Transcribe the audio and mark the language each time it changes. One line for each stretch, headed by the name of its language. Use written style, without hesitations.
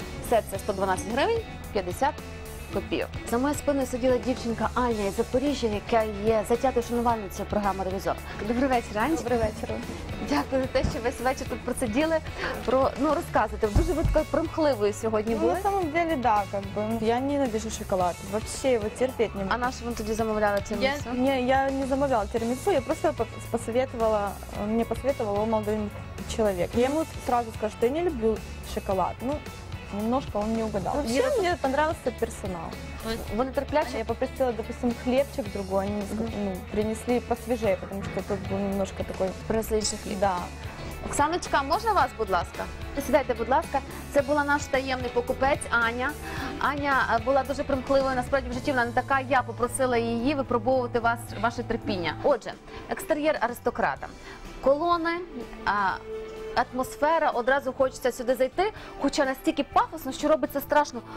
Ukrainian: Все це 112 гривень 50 копійок. За моєю спиною сиділа дівчинка Аня із Запоріжжя, яка є затятою шанувальницею програми «Ревізор». Добрий вечір, Аня. Добрий вечір. Дякую за те, що весь вечір тут просиділи. Про, ну, розказуйте, дуже ви такою промхливою сьогодні були.
Russian: Ну, на самом деле, да, как бы. Я ненавижу шоколад. Вообще его терпеть не могу.
Ukrainian: А наша вам тоді замовляла тирамісу? Ні, я не замовляла тирамісу, я просто посоветовала, мені посоветовала молодий чоловік. Я йому сразу скажу, що я не люблю шоколад.
Russian: Ну, немножко он не угадал. Вообще, мне понравился персонал. Вы не терплячи? Я попросила, допустим, хлебчик другой, они ну, принесли посвежее, потому что тут был немножко такой... Принесли еще хлеб? Да. Оксаночка, можно вас,
Ukrainian: будь ласка? Сидайте, будь ласка. Це була наш таємний покупець Аня. Аня була дуже примхливою, насправді в житті вона не така. Я попросила її випробовувати вас, ваше терпіння. Отже, екстер'єр аристократа. Колони, атмосфера, одразу хочеться сюди зайти, хоча настільки пафосно, що робиться страшно.